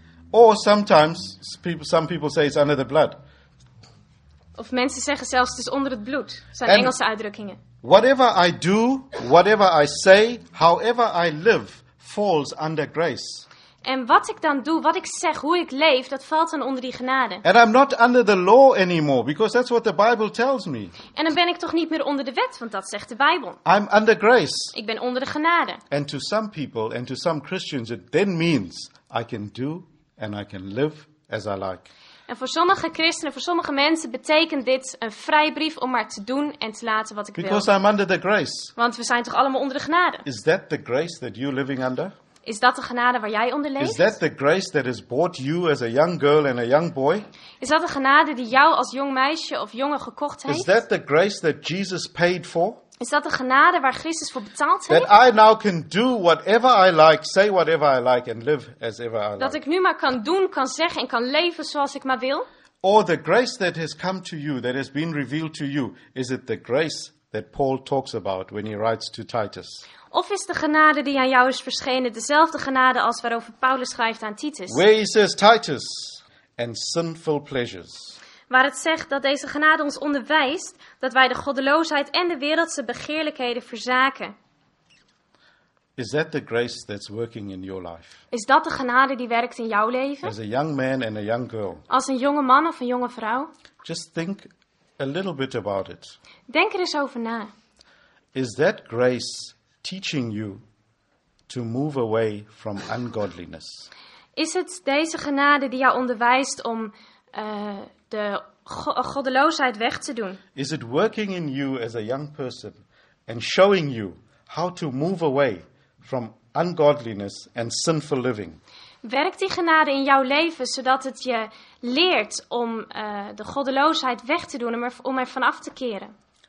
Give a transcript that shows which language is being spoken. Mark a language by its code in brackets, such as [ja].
[en] Or sometimes, some people say it's under the blood. [nl] Of mensen zeggen zelfs het is onder het bloed. Zijn and Engelse uitdrukkingen. [en] Whatever I do, whatever I say, however I live, falls under grace. [nl] En wat ik dan doe, wat ik zeg, hoe ik leef, dat valt dan onder die genade. [en] And I'm not under the law anymore, because that's what the Bible tells me. [nl] En dan ben ik toch niet meer onder de wet, want dat zegt de Bijbel. [en] I'm under grace. [nl] Ik ben onder de genade. [en] And to some people and to some Christians, it then means I can do and I can live as I like. [nl] En voor sommige christenen, voor sommige mensen betekent dit een vrijbrief om maar te doen en te laten wat ik [en] Because [nl] wil. [en] Because I'm under the grace. [nl] Want we zijn toch allemaal onder de genade. [en] Is that the grace that you're living under? [nl] Is dat de genade waar jij onder leeft? [en] Is that the grace that has brought you as a young girl and a young boy? [nl] Is dat de genade die jou als jong meisje of jongen gekocht heeft? [en] Is that the grace that Jesus paid for? [nl] Is dat de genade waar Christus voor betaald heeft? [en] That I now can do whatever I like, say whatever I like and live as ever I like. [nl] Dat ik nu maar kan doen, kan zeggen en kan leven zoals ik maar wil? [en] Or the grace that has come to you, that has been revealed to you, is it the grace that Paul talks about when he writes to Titus? [nl] Of is de genade die aan jou is verschenen dezelfde genade als waarover Paulus schrijft aan Titus? [en] Where he says Titus and sinful pleasures. [nl] Waar het zegt dat deze genade ons onderwijst dat wij de goddeloosheid en de wereldse begeerlijkheden verzaken. [en] Is that the grace that's working in your life? [nl] Is dat de genade die werkt in jouw leven? [en] As a young man and a young girl. [nl] Als een jonge man of een jonge vrouw? [en] Just think a little bit about it. [nl] Denk er eens over na. [en] Is that grace teaching you to move away from ungodliness? [nl] Is het deze genade die jou onderwijst om de goddeloosheid weg te doen? [en] Is it working in you as a young person and showing you how to move away from ungodliness and sinful living? [nl] Werkt die genade in jouw leven zodat het je leert om de goddeloosheid weg te doen, om er van af te keren?